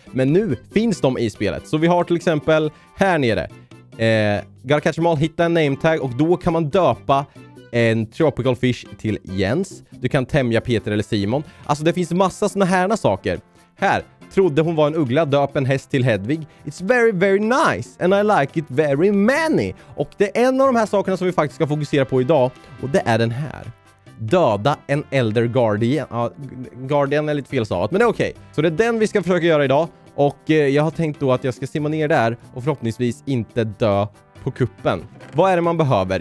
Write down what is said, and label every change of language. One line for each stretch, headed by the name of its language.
Swedish: Men nu finns de i spelet, så vi har till exempel här nere.
English: Gotta catch them all,
Swedish: hitta en name tag. Och då kan man döpa en tropical fish till Jens. Du kan tämja Peter eller Simon. Alltså det finns massa såna här saker. Här, trodde hon var en uggla, döp en häst till Hedvig.
English: It's very very nice and I like it very many.
Swedish: Och det är en av de här sakerna som vi faktiskt ska fokusera på idag. Och det är den här. Döda en elder guardian. Ja, guardian är lite fel stavat, men det är okej. Så det är den vi ska försöka göra idag. Och jag har tänkt då att jag ska simma ner där och förhoppningsvis inte dö på kuppen. Vad är det man behöver?